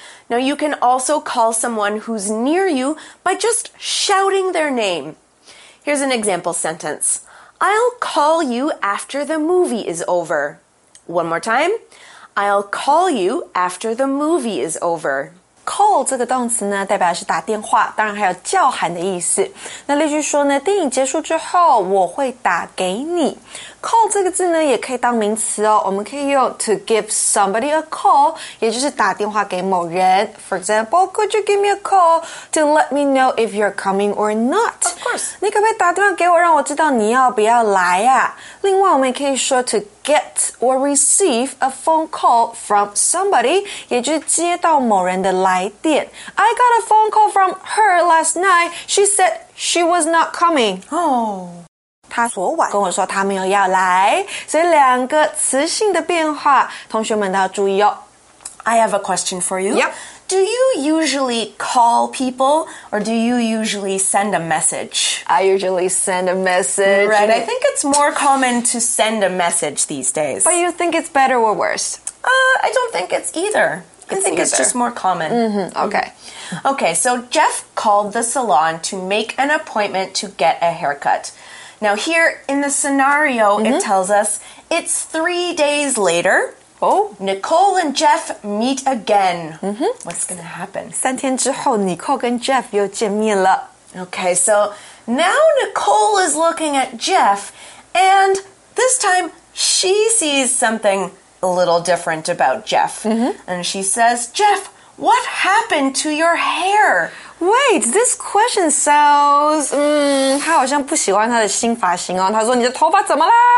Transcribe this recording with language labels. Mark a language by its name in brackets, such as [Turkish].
[English] Now, you can also call someone who's near you by just shouting their name. Here's an example sentence. I'll call you after the movie is over. One more time. I'll call you after the movie is over. [Chinese] Call 这个动词呢，代表是打电话，当然还有叫喊的意思。那例句说呢，电影结束之后，我会打给你。 Call 这个字呢，也可以当名词哦，我们可以用 [English] to give somebody a call, [Chinese] 也就是打电话给某人。 [English] For example, could you give me a call to let me know if you're coming or not? Of course. [Chinese] 你可不可以打电话给我，让我知道你要不要来啊？另外，我们也可以说 [English] to get or receive a phone call from somebody, [Chinese] 也就是接到某人的来电。 [English] I got a phone call from her last night. She said she was not coming. Oh. [Chinese] 她昨晚跟我说她没有要来。所以两个词性的变化，同学们都要注意哦。 [English] I have a question for you. Yep. Do you usually call people or do you usually send a message? I usually send a message. Right, I think it's more common to send a message these days. But you think it's better or worse? I don't think it's either. I think it's just more common. Mm-hmm. Okay. Okay, so Jeff called the salon to make an appointment to get a haircut. Now here in the scenario, it tells us it's 3 days later. Oh, Nicole and Jeff meet again. Mm-hmm. What's going to happen? [Chinese] 3 days 之后 Nicole 跟 Jeff 又见面了。 [English] Okay, so now Nicole is looking at Jeff, and this time she sees something a little different about Jeff. Mm-hmm. And she says, Jeff, what happened to your hair? Wait, this question sounds... [Chinese] 她好像不喜欢她的新发型哦。她说你的头发怎么啦？